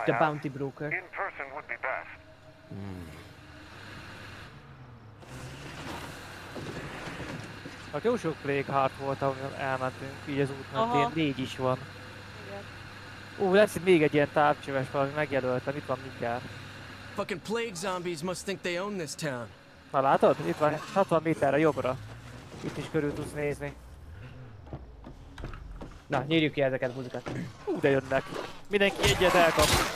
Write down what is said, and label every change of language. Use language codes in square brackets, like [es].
[en] The Bounty Broker. In person would be best. [hu] Hát jó sok Plague Heart volt, ahol elmentünk, így az útnak tényleg négy is van. Igen. Lesz még egy ilyen tárcsöves valami, megjelöltem, itt van mindjárt. [en] Fucking plague zombies must think they own this town. [hu] Na látod? Itt van 60 méterre jobbra. Itt is körül tudsz nézni. Na, nyírjuk ki ezeket a muzikát. De jönnek. Mindenki egyet elkap.